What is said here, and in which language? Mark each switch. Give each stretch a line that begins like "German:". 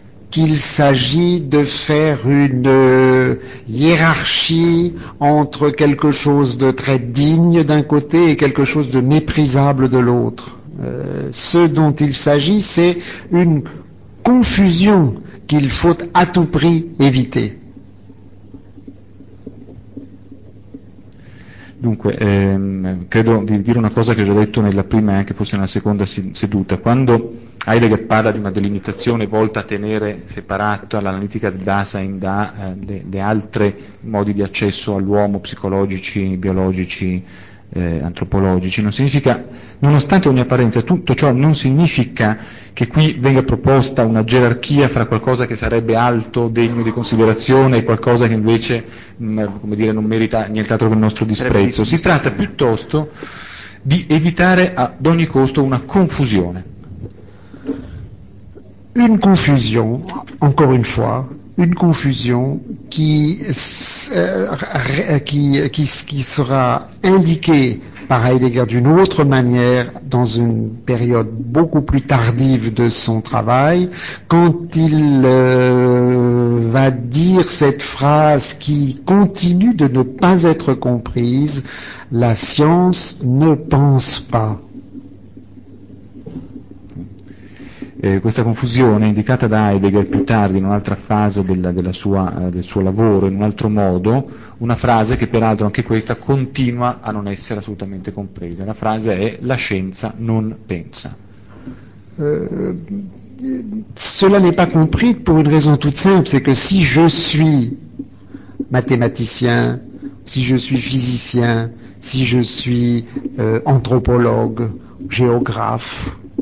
French: qu'il s'agit de faire une hiérarchie entre quelque chose de très digne d'un côté et quelque chose de méprisable de l'autre. Ce dont il s'agit, c'est une confusion qu'il faut à tout prix éviter.
Italian: Dunque, credo di dire una cosa che ho già detto nella prima e anche forse nella seconda seduta. Quando Heidegger parla di una delimitazione volta a tenere separata l'analitica del Dasein da le altre modi di accesso all'uomo, psicologici, biologici, antropologici, non significa, nonostante ogni apparenza, tutto ciò non significa che qui venga proposta una gerarchia fra qualcosa che sarebbe alto, degno di considerazione, e qualcosa che invece, come dire, non merita nient'altro che il nostro disprezzo. Si tratta piuttosto di evitare ad ogni costo una confusione.
French: Une confusion, encore une fois, une confusion qui sera indiquée par Heidegger d'une autre manière dans une période beaucoup plus tardive de son travail, quand il va dire cette phrase qui continue de ne pas être comprise, la science ne pense pas.
Italian: Questa confusione indicata da Heidegger più tardi in un'altra fase del suo lavoro, in un altro modo, una frase che peraltro anche questa continua a non essere assolutamente compresa. La frase è: la scienza non pensa.
French: Cela n'est pas compris pour une raison toute simple, c'est que si je suis mathématicien, si je suis physicien, si je suis anthropologue, géographe,